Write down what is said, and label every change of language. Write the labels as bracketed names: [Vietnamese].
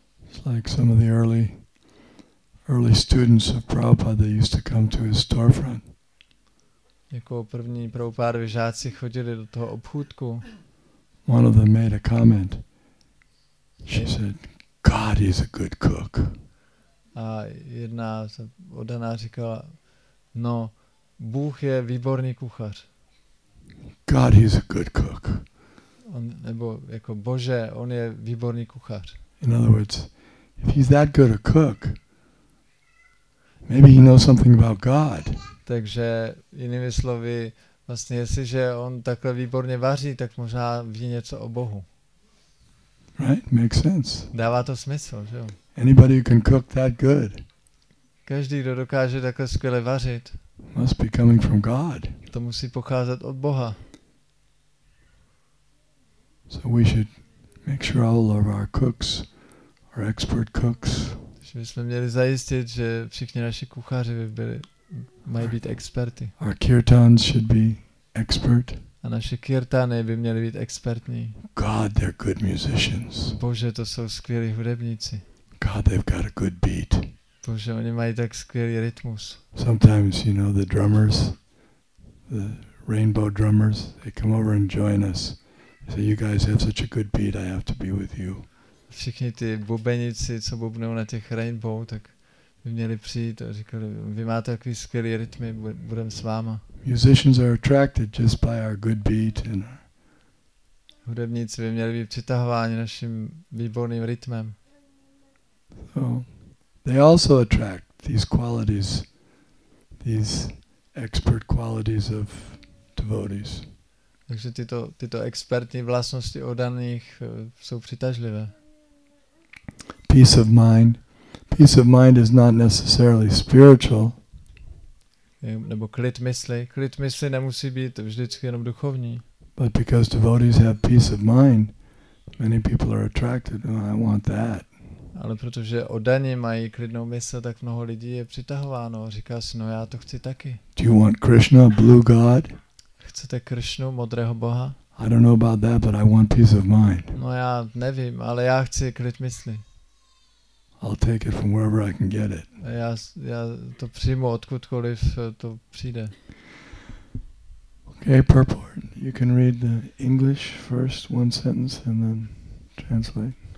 [English] It's like some of the early students of Prabhupada, they used to come to his storefront. [Czech] Jako první Prabhupádovi žáci chodili do toho obchůdku. [English] One of them made a comment. She said, God is a good cook. [Czech] A jedna odaná říkala, no, Bůh je výborný kuchař. [English] God is a good cook. [Czech] On, nebo jako Bože, on je výborný kuchař. [English] In other words, if he's that good a cook, maybe he knows something about God. [Czech] Takže jinými slovy, vlastně jestliže on takhle výborně vaří, tak možná ví něco o Bohu. [English] Right, makes sense. [Czech] Dává to smysl, že jo? [English] Anybody who can cook that good. [Czech] Každý, kdo dokáže takhle skvěle vařit. [English] Must be coming from God. [Czech] To musí pocházet od Boha. [English] So we should make sure all of our cooks are expert cooks. [Czech] Takže bychom měli zajistit, že všichni naši kuchaři by byli mají být experti. [English] Our kirtans should be expert. [Czech] A naše kirtany by měly být expertní. [English] God, they're good musicians. [Czech] Bože, to jsou skvělí hudebníci. [English] God, they've got a good beat. [Czech] Bože, oni mají tak skvělý rytmus. [English] Sometimes, you know, the drummers, the rainbow drummers, they come over and join us. They say, you guys have such a good beat, I have to be with you. [Czech] Všichni ty bubenici, co bubnou na těch rainbow, tak by měli přijít a říkali, vy máte takový skvělý rytmy, budem s váma. [English] Musicians are attracted just by our good beat and our... [Czech] Hudebníci by měli být přitahováni naším výborným rytmem. [English] So, they also attract these qualities, these expert qualities of devotees. [Czech] Takže tyto expertní vlastnosti odaných jsou přitažlivé. [English] Peace of mind. Peace of mind is not necessarily spiritual. [Czech] Nebo klid mysli. Klid mysli nemusí být vždycky jenom duchovní. [English] But because devotees have peace of mind, many people are attracted. Oh, I want that. [Czech] Ale protože oddaní mají klidnou mysl, tak mnoho lidí je přitahováno. Říká si, no já to chci taky. [English] Do you want Krishna, blue god? [Czech] Chcete Krishnu, modrého boha? [English] I don't know about that, but I want peace of mind. [Czech] No já nevím, ale já chci klid mysli. [English] I'll take it from wherever I can get it. [Czech] Já to přijmu odkudkoliv to přijde. [English] Okay, purport. You can read the English first, one sentence, and then translate.